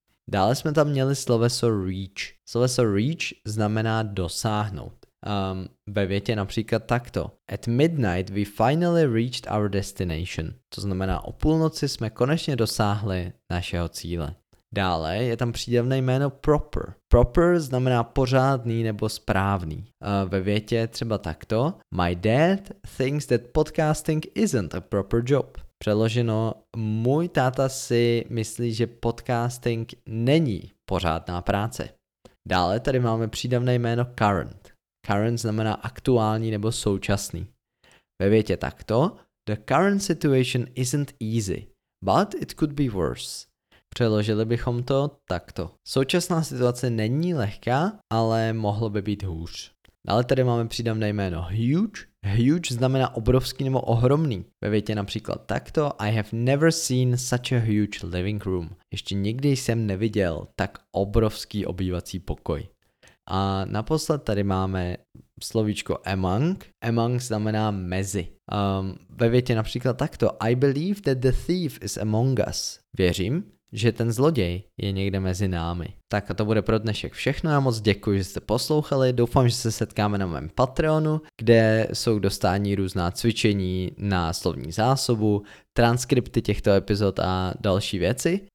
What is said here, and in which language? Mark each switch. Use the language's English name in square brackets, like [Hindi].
[Czech] Dále jsme tam měli sloveso reach. Sloveso reach znamená dosáhnout. Ve větě například takto, [English] at midnight we finally reached our destination. [Czech] To znamená, o půlnoci jsme konečně dosáhli našeho cíle. Dále je tam přídavné jméno proper. Proper znamená pořádný nebo správný. Ve větě třeba takto. [English] My dad thinks that podcasting isn't a proper job. [Czech] Přeloženo, můj táta si myslí, že podcasting není pořádná práce. Dále tady máme přídavné jméno current. Current znamená aktuální nebo současný. Ve větě takto. [English] The current situation isn't easy, but it could be worse. [Czech] Přeložili bychom to takto. Současná situace není lehká, ale mohlo by být hůř. Dále tady máme přídavné jméno huge. Huge znamená obrovský nebo ohromný. Ve větě například takto. [English] I have never seen such a huge living room. [Czech] Ještě nikdy jsem neviděl tak obrovský obývací pokoj. A naposled tady máme slovíčko among. Among znamená mezi. Ve větě například takto. [English] I believe that the thief is among us. [Czech] Věřím, že ten zloděj je někde mezi námi. Tak a to bude pro dnešek všechno, já moc děkuji, že jste poslouchali, doufám, že se setkáme na mém Patreonu, kde jsou k dostání různá cvičení na slovní zásobu, transkripty těchto epizod a další věci.